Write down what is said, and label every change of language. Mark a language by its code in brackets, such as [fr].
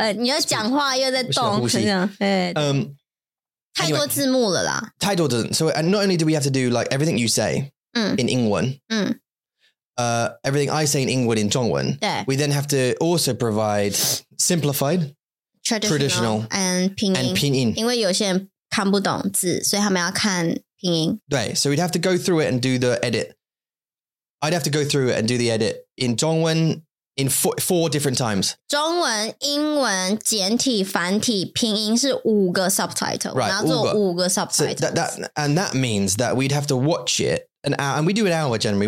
[zh] 你要讲话又在动。太多字幕了啦。太多字幕。 [en] So and not only do we have to do like everything you say in 英文, everything I say in 英文 in 中文, we then have to also provide simplified, traditional and 拼音。 [zh] 因为有些人看不懂字，所以他们要看拼音。对 [en] ，so we'd have to go through it and do the edit. I'd have to go through it and do the edit in 中文 in four different times. [zh] 中文、英文、简体、繁体、拼音是五个 subtitle， [en] right, [zh] 然后做五个 subtitle.、 [en] So、that means that we'd have to watch it an hour, and we do an hour generally.